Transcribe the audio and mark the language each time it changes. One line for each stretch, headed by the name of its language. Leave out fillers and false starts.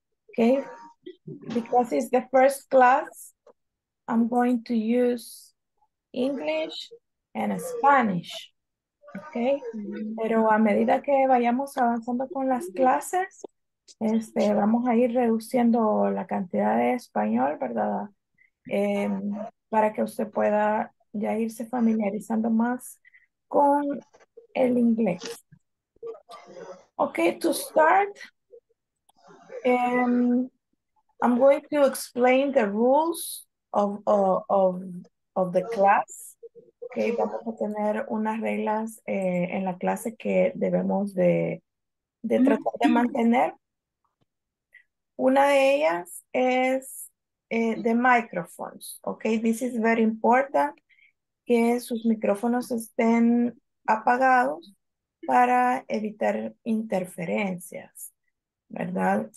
English: Okay, because it's the first class, I'm going to use English and Spanish.
Spanish: Okay, pero a medida que vayamos avanzando con las clases, vamos a ir reduciendo la cantidad de español, ¿verdad? Para que usted pueda ya irse familiarizando más con el inglés.
English: Okay, to start, I'm going to explain the rules of the class.
Spanish: Okay, vamos a tener unas reglas en la clase que debemos de tratar de mantener. Una de ellas es the microphones, okay?
English: This is very important,
Spanish: que sus micrófonos estén apagados para evitar interferencias, ¿verdad?